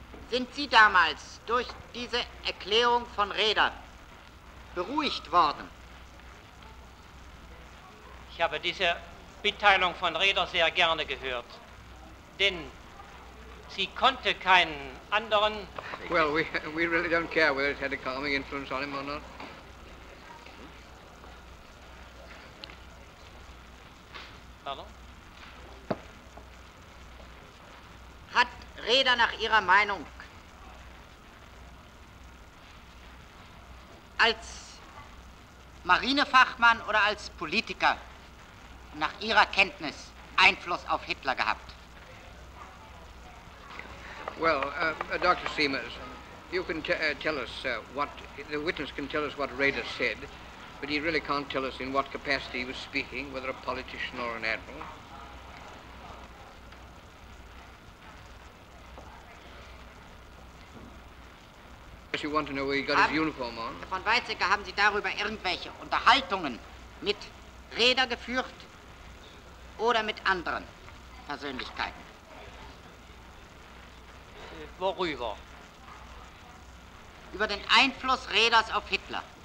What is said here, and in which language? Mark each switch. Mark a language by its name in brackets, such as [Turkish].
[German] Sind Sie damals durch diese Erklärung von Reeder beruhigt worden? Ich habe diese Mitteilung von Reeder sehr gerne gehört, denn sie konnte keinen anderen. [English] Well, we really don't care whether it had a calming influence on him or not. [German] Pardon? Hat Reeder nach Ihrer Meinung als Marinefachmann oder als Politiker nach Ihrer Kenntnis Einfluss auf Hitler gehabt? [English] Well, Dr. Siemers, you can tell us what the witness can tell us what Reeder said, but he really can't tell us in what capacity he was speaking, whether a politician or an admiral. [German] Herr [English] Does he want to know where he got his uniform on? [German] Von Weizsäcker, haben Sie darüber irgendwelche Unterhaltungen mit Räder geführt oder mit anderen Persönlichkeiten? Worüber? Über den Einfluss Räders auf Hitler.